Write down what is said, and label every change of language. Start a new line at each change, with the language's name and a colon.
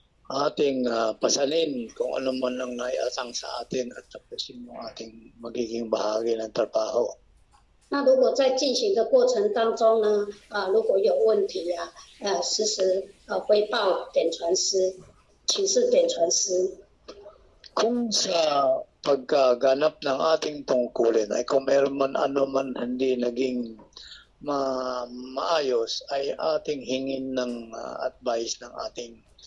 Filipino: Ating pasanin kung ano man ang naiasang sa atin at tapusin mo ating magiging bahagi ng trabaho.
Chinese: 那如果在进行的过程当中呢，如果有问题啊，实时汇报点传师，请示点传师。
Filipino: Kung sa pagkaganap ng ating tungkulin ay kung meron man ano man hindi naging maayos ay ating hingin ng advice ng ating